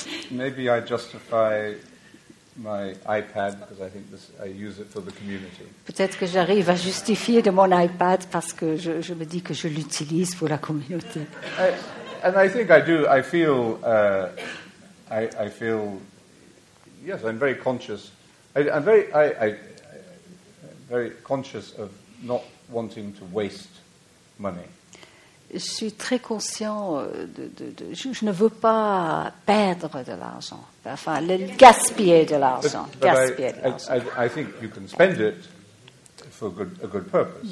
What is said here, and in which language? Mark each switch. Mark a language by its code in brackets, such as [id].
[en] Maybe I justify my iPad because I think this, I use it for the community. [fr] Peut-être que j'arrive à justifier de mon iPad parce que je me dis que je l'utilise pour la communauté. [en] And I think I do. I feel. I feel. Yes, I'm very conscious. I'm very conscious of not wanting to waste money. [fr] Je suis très conscient de je ne veux pas perdre de l'argent. Enfin, gaspiller de l'argent. [en] I think you can spend it for a good purpose.